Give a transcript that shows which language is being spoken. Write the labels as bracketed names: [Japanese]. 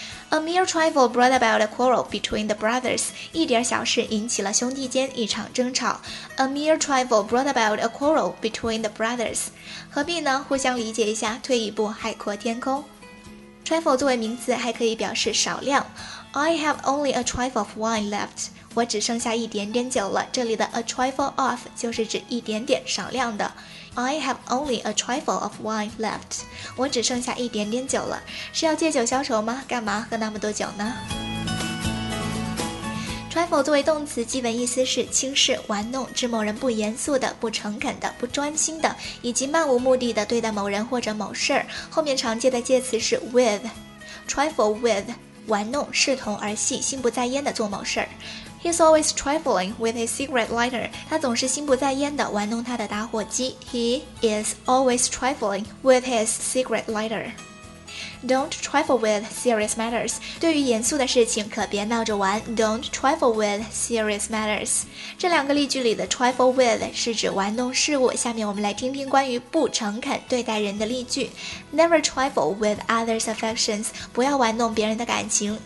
[English] A mere trifle brought about a quarrel between the brothers. [Chinese] 一点小事引起了兄弟间一场争吵。 [English] A mere trifle brought about a quarrel between the brothers. [Chinese] 何必呢？互相理解一下，退一步海阔天空。 Trifle 作为名词还可以表示少量。 [English] I have only a trifle of wine left. [Chinese] 我只剩下一点点酒了。这里的 a trifle of 就是指一点点少量的。 [English] I have only a trifle of wine left. [Chinese] 我只剩下一点点酒了。是要借酒消愁吗？干嘛喝那么多酒呢？ Trifle 作为动词基本意思是轻视、玩弄、指某人不严肃的、不诚恳的、不专心的以及漫无目的的对待某人或者某事。后面常见的介词是 with. Trifle with, 玩弄、视同而戏、心不在焉的做某事。 [English] He's always trifling with his cigarette lighter. [Chinese] 他总是心不在焉地玩弄他的打火机。 [English] He is always trifling with his cigarette lighter. Don't trifle with serious matters. [Chinese] 对于严肃的事情可别闹着玩。 [English] Don't trifle with serious matters. [Chinese] 这两个例句里的 trifle with 是指玩弄事物。下面我们来听听关于不诚恳对待人的例句。 [English] Never trifle with others' affections. [Chinese] 不要玩弄别人的感情。